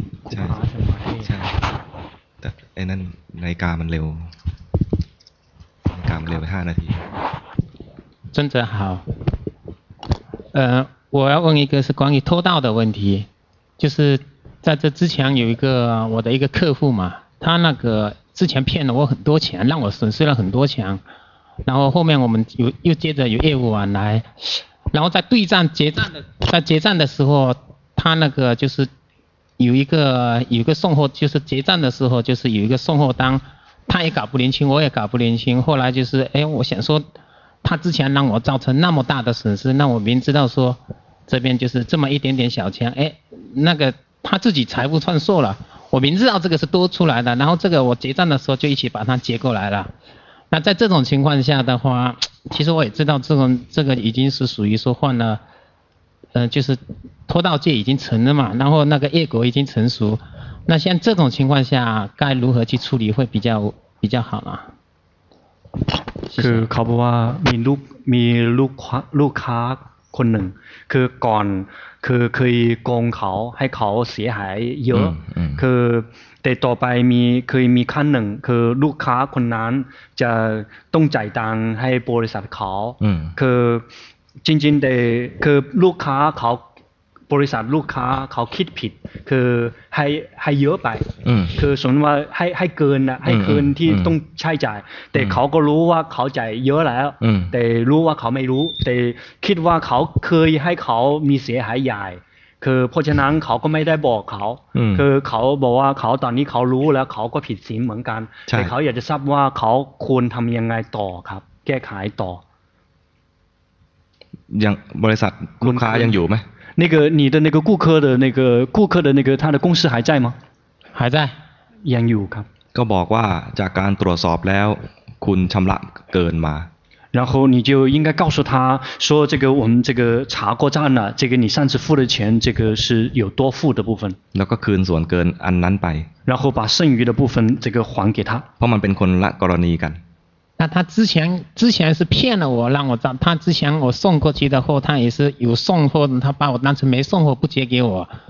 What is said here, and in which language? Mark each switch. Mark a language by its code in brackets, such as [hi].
[th] ใช่ใช่ใช่แต่ไอ้นั่นนาฬิกามันเร็วนาฬิกามันเร็วไป5นาที [zh] 尊者好我要问一个是关于偷盗的问题就是在这之前有一个我的一个客户嘛他那个之前骗了我很多钱让我损失了很多钱然后后面我们又接着有业务往来，然后在对账结账的在结账的时候，他那个就是有一个送货，就是结账的时候就是有一个送货单，他也搞不年轻，我也搞不年轻。后来就是哎，我想说他之前让我造成那么大的损失，那我明知道说这边就是这么一点点小钱，哎，那个他自己财务算数了，我明知道这个是多出来的，然后这个我结账的时候就一起把它结过来了。那在这种情况下的话，其实我也知道这个已经是属于说换了，就是偷盗戒已经成了嘛，然后那个业果已经成熟。那像这种情况下该如何去处理会比较好呢？ [th] คือเขาบอกว่ามีลูกค้าคนหนึ่งคือก่อนคือเคยโกงเขาให้เขาเสียหายเยอะคือแต่ต่อไปเคยมีครั้งหนึ่งคือลูกค้าคนนั้นจะต้องจ่ายตังค์ให้บริษัทเขาคือจริงๆแต่คือลูกค้าเขาบริษัทลูกค้าเขาคิดผิดคือ ให้เยอะไปคือสมมติว่าให้เกินนะให้คืนที่ต้องใช้จ่ายแต่เขาก็รู้ว่าเขาจ่ายเยอะแล้วแต่รู้ว่าเขาไม่รู้แต่คิดว่าเขาเคยให้เขามีเสียหายใหญ่คือเพราะฉะนั้นเขาก็ไม่ได้บอกเขาคือเขาบอกว่าเขาตอนนี้เขารู้แล้วเขาก็ผิดศีลเหมือนกันแต่เขาอยากจะทราบว่าเขาควรทำยังไงต่อครับแก้ไขต่อ ยังบริษัทลูกค้ายังอยู่ไหม [zh] 那个你的那个顾客的那个顾客的那个他的公司还在吗？还在， [th] ยังอยู่ครับ。 ก็บอกว่าจากการตรวจสอบแล้วคุณชำระเกินมา。 [zh] 然后你就应该告诉他说这个我们这个查过账了，这个你上次付的钱这个是有多付的部分。 [th] แล้วก็คืนส่วนเกินอันนั้นไป。 [zh] 然后把剩余的部分这个还给他。 [th] เพราะมันเป็นคนละกรณีกัน。 [zh] 那他之前是骗了我，让我账。他之前我送过去的货，他也是有送货的，他把我当成没送货，不结给我。